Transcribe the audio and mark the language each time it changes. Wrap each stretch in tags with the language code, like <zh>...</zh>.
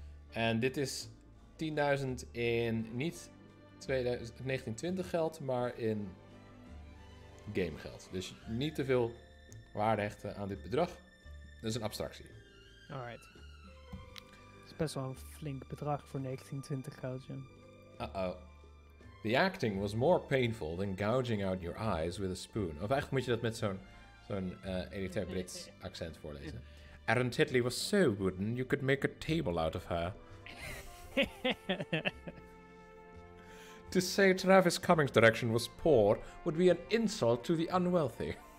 <nl>En dit is 10.000 in niet 1920 geld, maar in game geld. Dus niet te veel waarde hechten aan dit bedrag. Dat is een abstractie.</nl> <en>Alright.</en> <nl>Dat is best wel een flink bedrag voor 1920 geld, Jim. Uh-oh.</nl> <en>The acting was more painful than gouging out your eyes with a spoon.</en> <nl>Of eigenlijk moet je dat met zo'n elitair Brits accent voorlezen.</nl> <en>Aaron Tidley was so wooden, you could make a table out of her. To say Travis Cummings' direction was poor would be an insult to the unwealthy.</en>